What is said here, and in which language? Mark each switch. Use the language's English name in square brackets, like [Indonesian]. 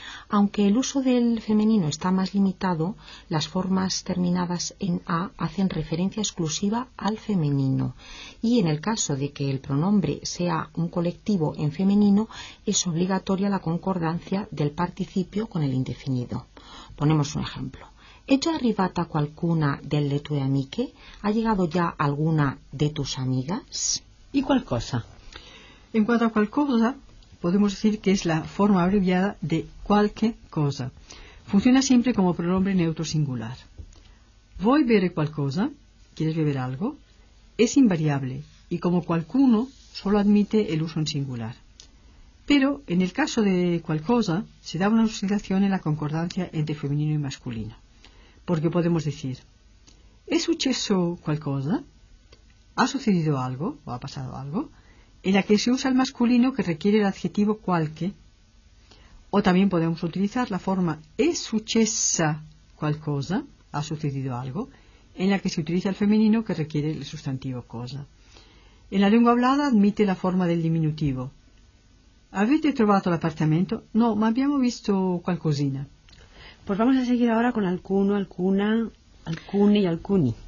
[Spanish] Aunque el uso del femenino está más limitado, las formas terminadas en a hacen referencia exclusiva al femenino. Y en el caso de que el pronombre sea un colectivo en femenino, es obligatoria la concordancia del participio con el indefinido. Ponemos un ejemplo. [Italian] ¿È già arrivata qualcuna delle tue amiche? [Spanish] ¿Ha llegado ya alguna de tus amigas? ¿Y qualcosa? En cuanto a qualcosa, podemos decir que es la forma abreviada de qualche cosa. Funciona siempre como pronombre neutro singular. [Italian] ¿Vuoi bere qualcosa? [Spanish] ¿Quieres beber algo? Es invariable y como qualcuno solo admite el uso en singular. Pero en el caso de qualcosa se da una oscilación en la concordancia entre femenino y masculino. Porque podemos decir, [Italian] ¿è successo qualcosa? [Spanish] ¿Ha sucedido algo o ha pasado algo? En la que se usa el masculino que requiere el adjetivo qualche. O también podemos utilizar la forma [Italian] ¿è successa qualcosa? [Spanish] ¿Ha sucedido algo? En la que se utiliza el femenino que requiere el sustantivo cosa. En la lengua hablada admite la forma del diminutivo. [Italian] ¿Avete trovato l'appartamento? No, ma abbiamo visto qualcosina. [Spanish] Pues vamos a seguir ahora con alcuno, alcuna, alcune y alcuni.